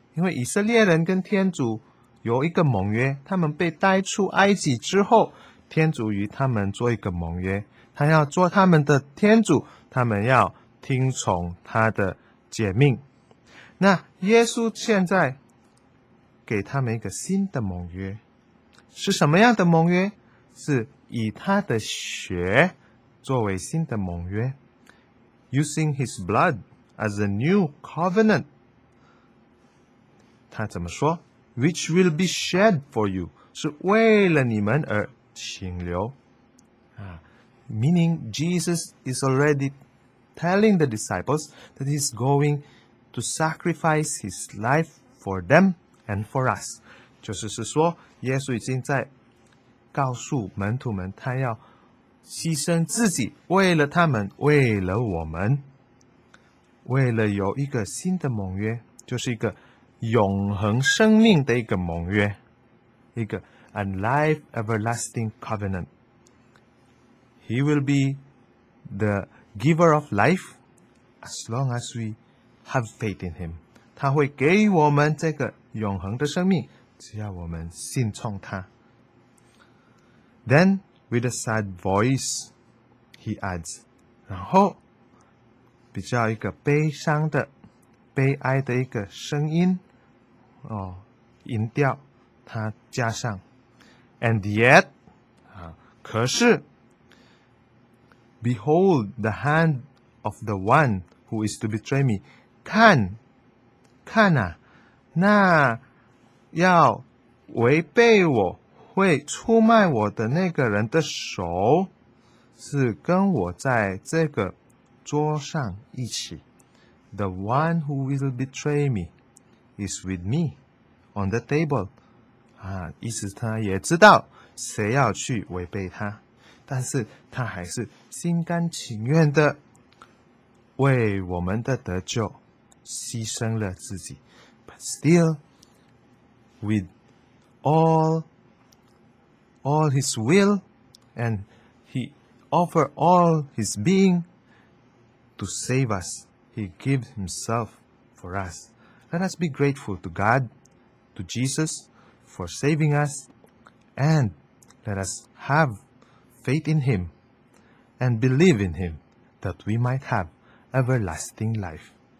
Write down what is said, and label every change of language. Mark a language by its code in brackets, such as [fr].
[zh] 因为以色列人跟天主有一个盟约，他们被带出埃及之后，天主与他们做一个盟约，他要做他们的天主，他们要听从他的诫命。那耶稣现在给他们一个新的盟约，是什么样的盟约？是以他的血作为新的盟约 ， [en] using his blood as a new covenant。 [zh] 他怎么说 ？ [en] Which will be shed for you， [zh] 是为了你们而倾流。 [en] Meaning Jesus is already telling the disciples that he's going to sacrifice his life for them。 And for us， [zh] 就是说耶稣已经在告诉门徒们他要牺牲自己，为了他们，为了我们，为了有一个新的盟约，就是一个永恒生命的一个盟约，一个 [en] a life everlasting covenant。 He will be the giver of life as long as we have faith in him。 [zh] 他会给我们这个永恒的生命，只要我们信从他。 [en] Then, with a sad voice, he adds, [zh] 然后比较一个悲伤的、悲哀的一个声音，音调，他加上 [en] ，And yet, 可是 ，Behold the hand of the one who is to betray me， [zh] 看，看啊。那要违背我会出卖我的那个人的手是跟我在这个桌上一起。 [en] The one who will betray me is with me on the table。 [zh] 意思他也知道谁要去违背他，但是他还是心甘情愿的为我们的得救牺牲了自己。 [en] Still, with all his will, and he offer all his being to save us, he gives himself for us. Let us be grateful to God, to Jesus, for saving us, and let us have faith in him, and believe in him, that we might have everlasting life.